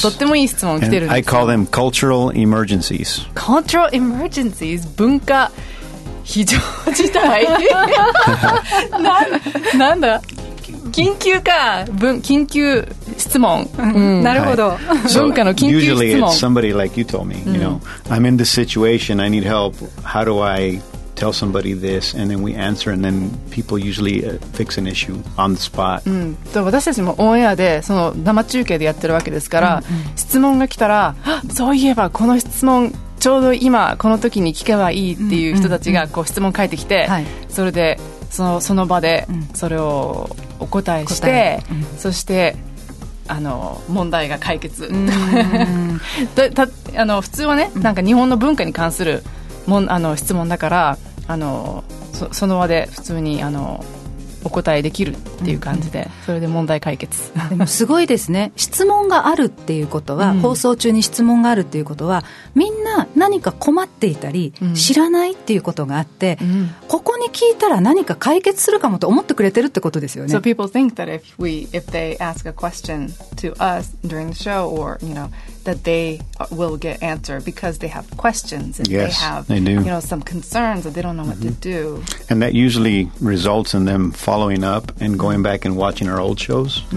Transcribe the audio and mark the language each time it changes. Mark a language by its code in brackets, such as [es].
[ja] とってもいい質問来てるんですよ。 [en] I call them cultural emergencies. Cultural emergencies? [ja] 文化非常事態なんだ、緊急か、緊急質問、うん、なるほど、はい、文化の緊急質問。 [en] Usually it's somebody like you told me、うん、you know, I'm in this situation, I need help, how do I tell somebody this, and then we answer, and then people usually fix an issue on the spot、 [ja] うん、私たちもオンエアでその生中継でやってるわけですから、うんうん、質問が来たら、そういえばこの質問ちょうど今この時に聞けばいいっていう人たちがこう質問書いてきて、うんうんうん、それでその場でそれをお答えして、うん、そしてあの問題が解決あの普通はね、なんか日本の文化に関するあの質問だから、あの その場で普通にあのお答えできるっていう感じで、うんうん、それで問題解決でもすごいですね、質問があるっていうことは、うん、放送中に質問があるっていうことは、みんな何か困っていたり、うん、知らないっていうことがあって、うん、ここに聞いたら何か解決するかもと思ってくれてるってことですよね。 [en] So people think that if they ask a question to us during the show, or you know, that they will get answer because they have questions and yes, they have they do. You know, some concerns that they don't know what mm-hmm. to do, and that usually results in them following up and going back and watching our old shows、mm-hmm.